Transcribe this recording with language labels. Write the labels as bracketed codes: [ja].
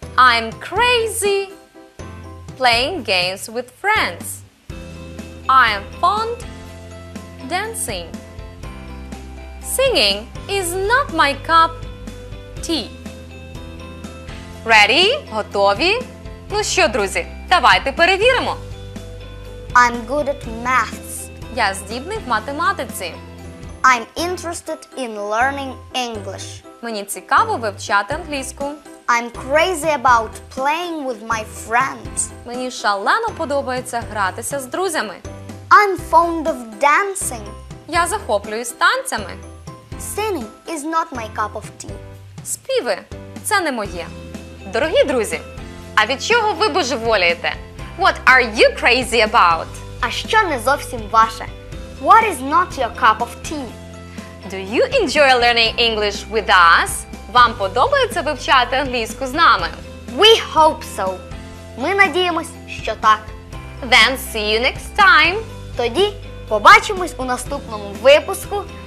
[en] I'm crazy playing games with friends. I'm fond dancing. Singing is not my cup tea. Ready? [uk] Готові? Ну що, друзі, давайте перевіримо. [en] I'm good at maths. [uk] Я здібний в математиці. [en] I'm interested in learning English. [uk] Мені цікаво вивчати англійську. [en] I'm crazy about playing with my friends. [uk] Мені шалено подобається гратися з друзями. [en] I'm fond of dancing. [uk] Я захоплююсь танцями. [en] Singing is not my cup of tea. [uk] Співи – це не моє. Дорогі друзі, а від чого ви божеволієте? [en] What are you crazy about? [uk] А що не зовсім ваше? [en] What is not your cup of tea? Do you enjoy learning English with us? [uk] Вам подобається вивчати англійську з нами? [en] We hope so. [uk] Ми надіємось, що так. [en] Then see you next time. [uk] Тоді побачимось у наступному випуску